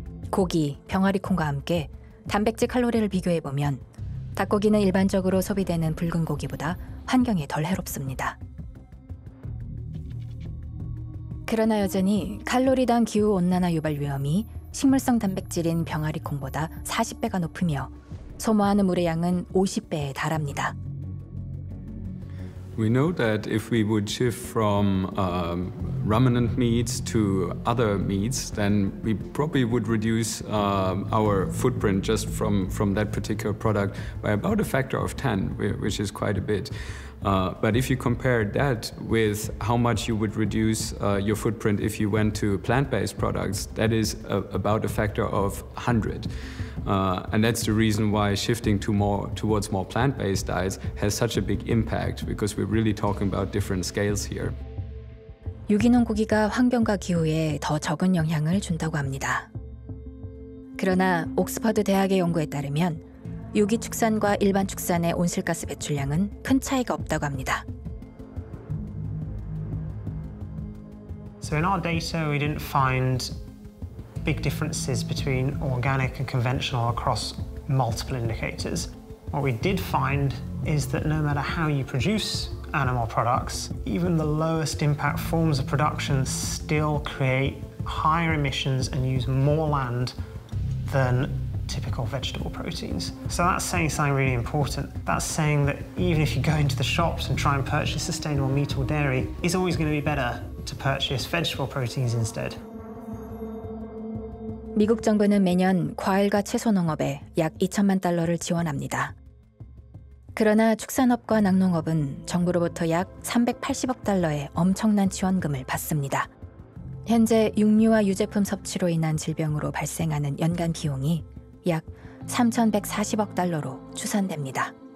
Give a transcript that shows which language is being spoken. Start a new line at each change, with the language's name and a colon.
Korean: 고기, 병아리 콩과 함께 단백질 칼로리를 비교해보면 닭고기는 일반적으로 소비되는 붉은 고기보다 환경에 덜 해롭습니다. 그러나 여전히 칼로리당 기후온난화 유발 위험이 식물성 단백질인 병아리 콩보다 40배가 높으며 소모하는 물의 양은 50배에 달합니다.
English: We know that if we would shift from ruminant meats to other meats, then we probably would reduce our footprint just from that particular product by about a factor of 10, which is quite a bit. But if you compare that with how much you would reduce your footprint if you went to plant-based products, that is about a factor of 100. And that's the reason why shifting towards more plant-based diets has such a big impact, because we're really talking about different scales here.
Korean: 유기농 고기가 환경과 기후에 더 적은 영향을 준다고 합니다. 그러나 옥스퍼드 대학의 연구에 따르면 유기 축산과 일반 축산의 온실가스 배출량은 큰 차이가 없다고 합니다.
English: So in our data, we didn't find big differences between organic and conventional across multiple indicators. What we did find is that no matter how you produce animal products, even the lowest impact forms of production still create higher emissions and use more land than typical vegetable proteins. So that's saying something really important. That's saying that even if you go into the shops and try and purchase sustainable meat or dairy, it's always going to be better to purchase vegetable proteins instead.
Korean: 미국 정부는 매년 과일과 채소 농업에 약 2천만 달러를 지원합니다. 그러나 축산업과 낙농업은 정부로부터 약 380억 달러의 엄청난 지원금을 받습니다. 현재 육류와 유제품 섭취로 인한 질병으로 발생하는 연간 비용이 약 3,140억 달러로 추산됩니다.